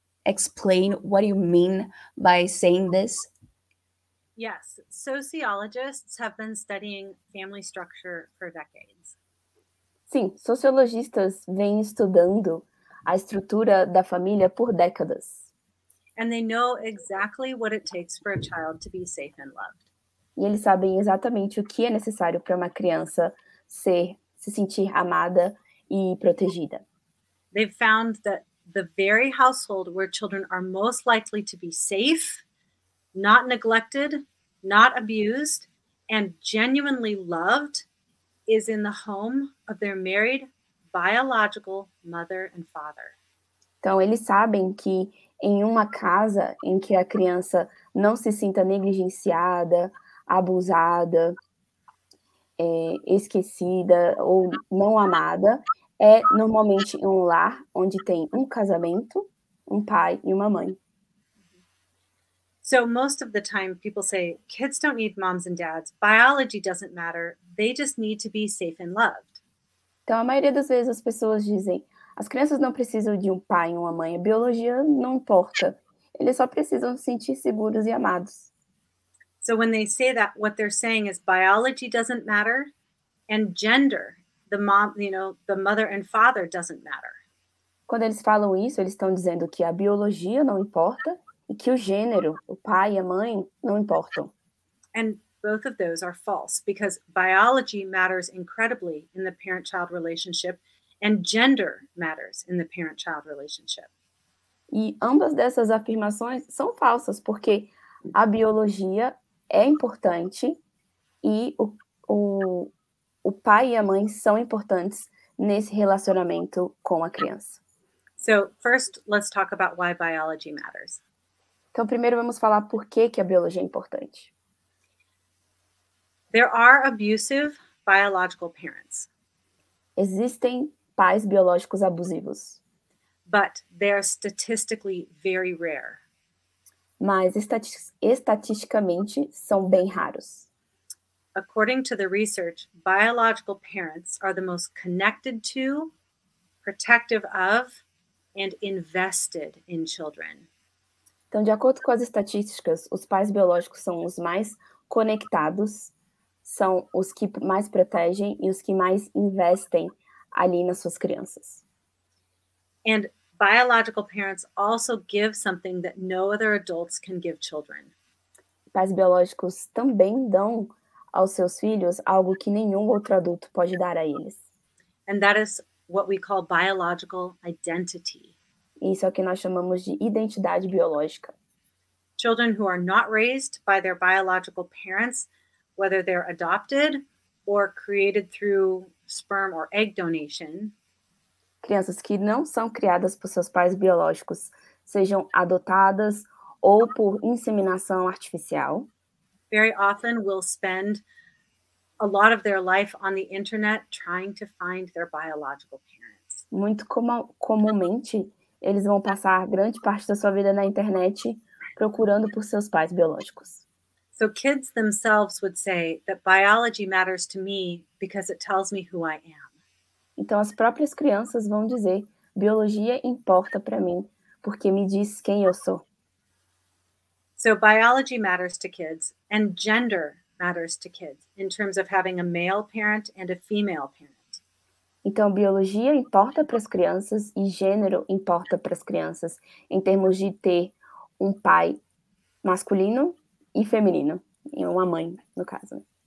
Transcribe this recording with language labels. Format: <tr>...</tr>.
<en>explain what you mean by saying this? Yes, sociologists have been studying family structure for decades.</en> <pt>Sim, sociologistas vêm estudando a estrutura da família por décadas.</pt> <en>And they know exactly what it takes for a child to be safe and loved.</en> <pt>E eles sabem exatamente o que é necessário para uma criança se sentir amada e protegida.</pt> <en>They've found that the very household where children are most likely to be safe, not neglected, not abused, and genuinely loved is in the home of their married biological mother and father.</en> <pt>Então, eles sabem que em uma casa em que a criança não se sinta negligenciada, abusada, esquecida ou não amada, é normalmente um lar onde tem um casamento, um pai e uma mãe.</pt> <en>So most of the time people say kids don't need moms and dads. Biology doesn't matter. They just need to be safe and loved.</en> <pt>Então a maioria das vezes as pessoas dizem: as crianças não precisam de um pai e uma mãe. A biologia não importa. Eles só precisam se sentir seguros e amados.</pt> <en>So when they say that, what they're saying is biology doesn't matter and gender, the mom, you know, the mother and father doesn't matter.</en> <pt>Quando eles falam isso, eles estão dizendo que a biologia não importa e que o gênero, o pai e a mãe, não importam.</pt> <en>And both of those are false, because biology matters incredibly in the parent-child relationship, and gender matters in the parent-child relationship.</en> <pt>E ambas dessas afirmações são falsas, porque a biologia é importante e o pai e a mãe são importantes nesse relacionamento com a criança.</pt> <en>So, first, let's talk about why biology matters.</en> <pt>Então, primeiro vamos falar por que que a biologia é importante.</pt> <en>There are abusive biological parents.</en> <pt>Existem pais biológicos abusivos.</pt> <en>But they are statistically very rare.</en> <pt>Mas estatisticamente são bem raros.</pt> <en>According to the research, biological parents are the most connected to, protective of, and invested in children.</en> <pt>Então, de acordo com as estatísticas, os pais biológicos são os mais conectados, são os que mais protegem e os que mais investem ali nas suas crianças.</pt> <en>And biological parents also give something that no other adults can give children.</en> <pt>Pais biológicos também dão aos seus filhos algo que nenhum outro adulto pode dar a eles.</pt> <en>And that is what we call biological identity.</en> <pt>Isso é o que nós chamamos de identidade biológica.</pt> <en>Children who are not raised by their biological parents, whether they're adopted or created through sperm or egg donation.</en> <pt>Crianças que não são criadas por seus pais biológicos, sejam adotadas ou por inseminação artificial.</pt> <en>Very often will spend a lot of their life on the internet trying to find their biological parents.</en> <pt>Muito comumente eles vão passar grande parte da sua vida na internet procurando por seus pais biológicos.</pt> <en>So kids themselves would say that biology matters to me because it tells me who I am.</en> <pt>Então as próprias crianças vão dizer: biologia importa para mim porque me diz quem eu sou.</pt> <en>So biology matters to kids and gender matters to kids in terms of having a male parent and a female parent.</en> <pt>Então, biologia importa para as crianças e gênero importa para as crianças em termos de ter um pai masculino e feminino, e uma mãe, no caso.</pt>